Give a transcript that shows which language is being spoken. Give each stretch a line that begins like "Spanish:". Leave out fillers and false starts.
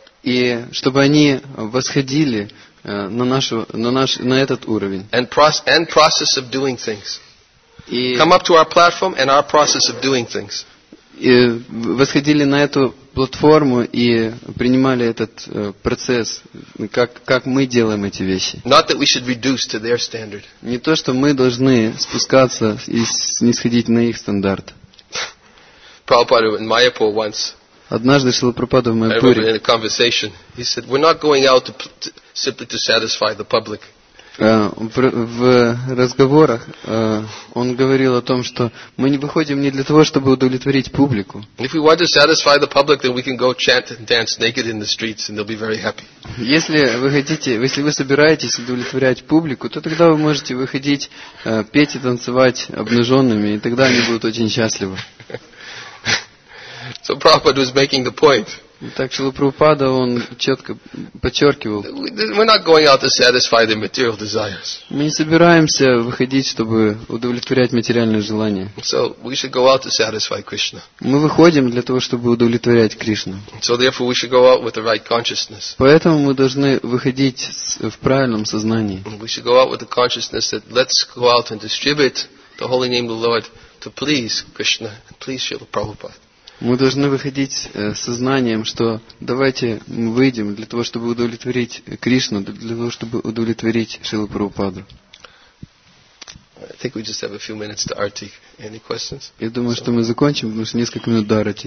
Russian: И чтобы они восходили на этот уровень.
English: And process of doing things. Come up to our platform and our process of doing things.
Russian: И восходили на эту платформу и принимали этот процесс, как мы делаем эти вещи.
English: Not that we should reduce to their standard.
Russian: Не то, что мы должны спускаться и снисходить на их стандарт.
English: Prabhupada in Mayapur once.
Russian: Однажды Шрила Прабхупада в Майяпуре.
English: I remember in a conversation, he said, "We're not going out to simply to satisfy the public."
Russian: В разговорах он говорил о том, что мы не выходим не для того, чтобы удовлетворить публику.
English: If we want to satisfy the public, then we can go chant and dance naked in the streets, and they'll be very happy.
Russian: Если вы собираетесь удовлетворять публику, то тогда вы можете выходить, петь и танцевать обнаженными, и тогда они будут очень счастливы.
English: So Prabhupada was making the point.
Russian: Так Шрила Прабхупада, он четко подчеркивал.
English: We're not going out to satisfy their material desires.
Russian: Мы не собираемся выходить, чтобы удовлетворять материальные желания.
English: So we should go out to satisfy Krishna.
Russian: Мы выходим для того, чтобы удовлетворять Кришну.
English: So therefore we should go out with the right consciousness.
Russian: Поэтому мы должны выходить в правильном сознании.
English: We should go out with the consciousness that let's go out and distribute the holy name of the Lord to please Krishna, please Shrila Prabhupada.
Russian: Мы должны выходить с сознанием, что давайте мы выйдем для того, чтобы удовлетворить Кришну, для того, чтобы удовлетворить Шрилу Прабхупаду.
English: I think we just have a few minutes to arti. Any questions?
Russian: Я думаю, что мы закончим, потому что несколько минут до арти.